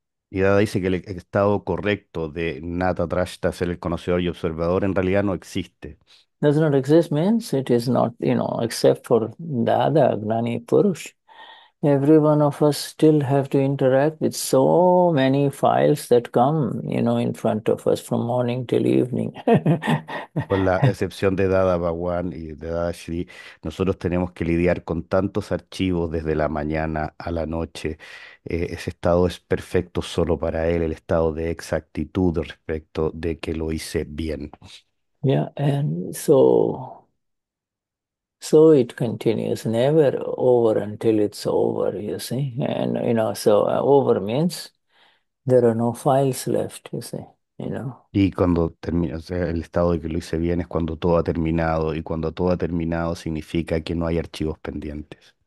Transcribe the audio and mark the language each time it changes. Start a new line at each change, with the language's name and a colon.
Spanish: Y Dada dice que el estado correcto de Jnana Drashta, ser el conocedor y observador, en realidad no existe.
English: does not exist means it is not, except for Dada, Gnani Purush. Every one of us still have to interact with so many files that come, in front of us from morning till evening.
Spanish: Con la excepción de Dada Bhagwan y de Dada Shri, nosotros tenemos que lidiar con tantos archivos desde la mañana a la noche. Ese estado es perfecto solo para él, el estado de exactitud respecto de que lo hice bien.
English: Yeah, and so. So it continues, never over until it's over, you see. And over means there are no files left, you see.
Spanish: Y cuando termina, o sea, el estado de que lo hice bien es cuando todo ha terminado, y cuando todo ha terminado significa que no hay archivos pendientes.